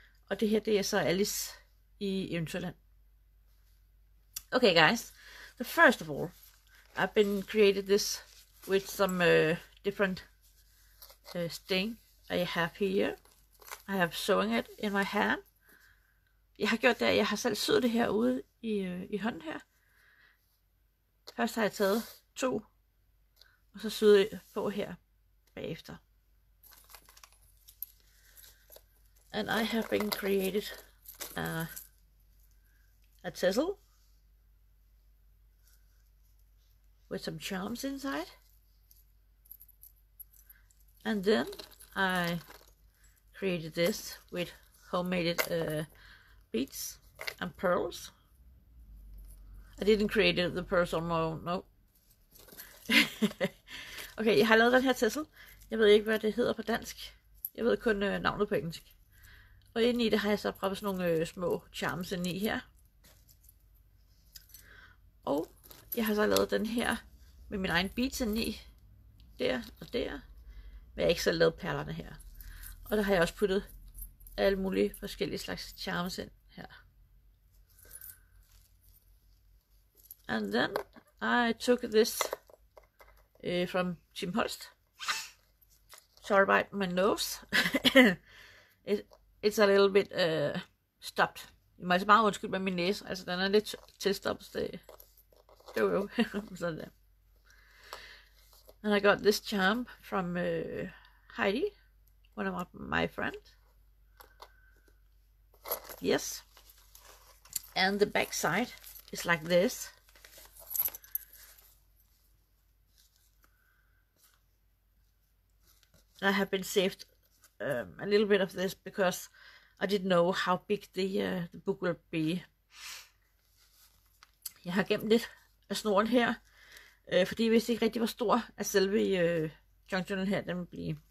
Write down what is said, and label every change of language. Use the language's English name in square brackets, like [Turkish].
[Danish] Og det her, det er så Alice i Eventyrland. [English] Okay guys, the first of all, I've been created this with some different thing I have here. I have sewing it in my hand. [Danish] Jeg har gjort det, at jeg har selv syet det her ude i hånden her. Først har jeg taget to, og så syet jeg på her bagefter. [English] And I have been created a tassel with some charms inside. And then I created this with homemade beads and pearls. I didn't create the purse on my own, no. [Danish] Okay, jeg har lavet den her tassel. Jeg ved ikke, hvad det hedder på dansk. Jeg ved kun navnet på engelsk. Og inde i det har jeg så prøvet sådan nogle små charms ind i her. Og jeg har så lavet den her med min egen beads ind i. Der og der. Men jeg har ikke selv lavet perlerne her. Og der har jeg også puttet alle mulige forskellige slags charms ind. [English] And then I took this from Tim Holst. Sorry about my nose. It's a little bit stopped. [Danish] Jeg må altså bare undskylde med min næse. Altså den er lidt tilstoppet. Det er jo sådan der. [English] And I got this charm from Heidi, one of my friends. Yes. And the back side is like this. I have been saved a little bit of this because I didn't know how big the book will be. [Danish] Jeg har gemt lidt af snoren her, fordi jeg vidste ikke rigtig, hvor stor at selve junk journal her den vil blive.